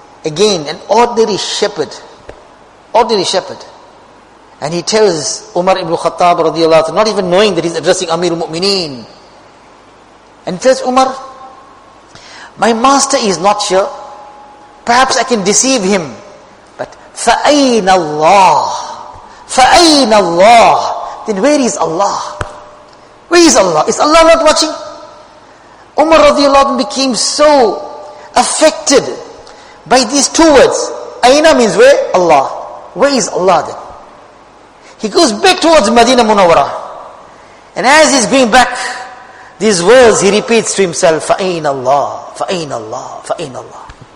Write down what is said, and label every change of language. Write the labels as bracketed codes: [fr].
[en] Again, an ordinary shepherd. And he tells Umar ibn Khattab radiallahu anhu, not even knowing that he's addressing Amir al-Mu'mineen. And he tells Umar, my master is not sure. Perhaps I can deceive him. But [ar] فَأَيْنَ اللَّهِ فَأَيْنَ اللَّهِ. [en] Then where is Allah? Where is Allah? Is Allah not watching? Umar radiallahu anhu became so affected by these two words. أَيْنَ means where? Allah. Where is Allah then? He goes back towards Madinah Munawwara. And as he's going back, these words he repeats to himself, [ar] فَأَيْنَ اللَّهِ فَأَيْنَ اللَّهِ فَأَيْنَ اللَّهِ.